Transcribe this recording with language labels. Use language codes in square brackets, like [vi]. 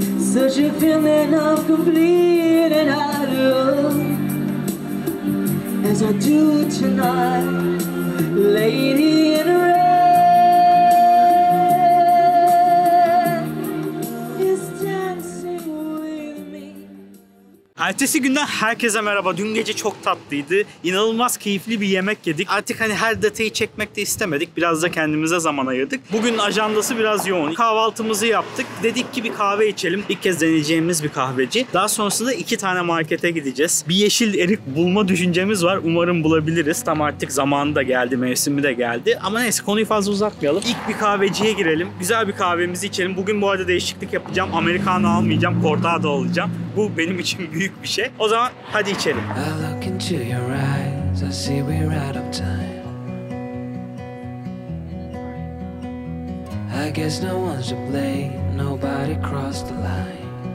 [en] Such a feeling of complete and utter, as I do tonight, lady in red is dancing with me. [tr] Ertesi günden herkese merhaba. Dün gece çok tatlıydı. İnanılmaz keyifli bir yemek yedik. Artık hani her detayı çekmek de istemedik. Biraz da kendimize zaman ayırdık. Bugün ajandası biraz yoğun. Kahvaltımızı yaptık. Dedik ki bir kahve içelim. İlk kez deneyeceğimiz bir kahveci. Daha sonrasında iki tane markete gideceğiz. Bir yeşil erik bulma düşüncemiz var. Umarım bulabiliriz. Tam artık zamanı da geldi, mevsimi de geldi. Ama neyse, konuyu fazla uzatmayalım. İlk bir kahveciye girelim. Güzel bir kahvemizi içelim. Bugün bu arada değişiklik yapacağım. Americano almayacağım. Cortado alacağım. Bu benim için büyük bir şey. O zaman hadi içelim. [en] I look into your eyes, I see we're out of time. I guess no one's to blame, nobody crossed the line.